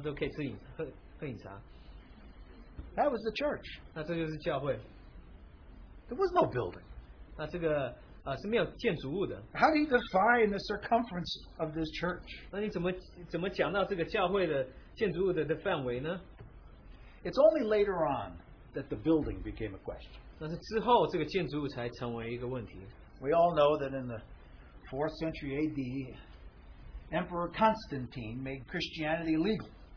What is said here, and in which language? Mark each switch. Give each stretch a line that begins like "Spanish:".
Chinese: 那派一个使徒，一个到以诺家，一个到摩利亚，然后一个到米娜姊妹家，那他们就每天晚上都可以吃饮喝饮茶。
English: That was the church.
Chinese: 那这就是教会。
English: There was no building.
Chinese: 那这个是没有建筑物的。
English: How do you define the circumference of this church?
Chinese: 那你怎么讲到这个教会的建筑物的范围呢？
English: It's only later on that the building became a question.
Chinese: 那是之后这个建筑物才成为一个问题。
English: We all know that in the 4th century AD, Emperor Constantine made Christianity legal.